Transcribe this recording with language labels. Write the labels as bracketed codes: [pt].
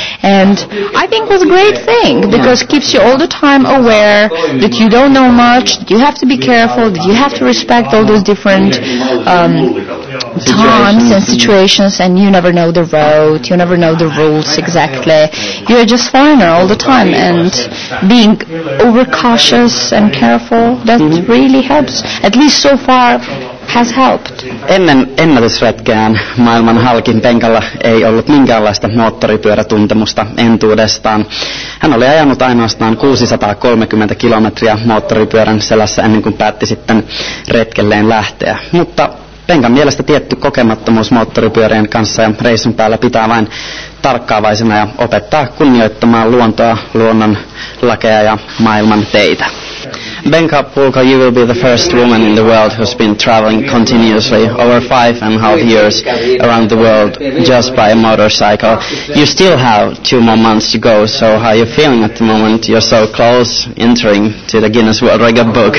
[en] And I think it was a great thing because it keeps you all the time aware that you don't know much, that you have to be careful, that you have to respect all those different times and situations, and you never know the road, you never know the rules exactly. You're just foreigner all the time, and being overcautious and careful, that really helps. At least so far, has helped. [fi] Ennen ennätysretkeään maailman halkin Penkalla ei ollut minkäänlaista moottoripyörätuntemusta entuudestaan. Hän oli ajanut ainoastaan 630 kilometriä moottoripyörän selässä ennen kuin päätti sitten retkelleen lähteä. Mutta Penkan mielestä tietty kokemattomuus moottoripyörien kanssa ja reissun päällä pitää vain tarkkaavaisena ja opettaa kunnioittamaan luontoa, luonnon lakeja ja maailman teitä. [en] Benka Pulka, you will be the first woman in the world who's been traveling continuously over 5.5 years around the world just by a motorcycle. You still have 2 more months to go, so how are you feeling at the moment? You're so close entering to the Guinness World Record book.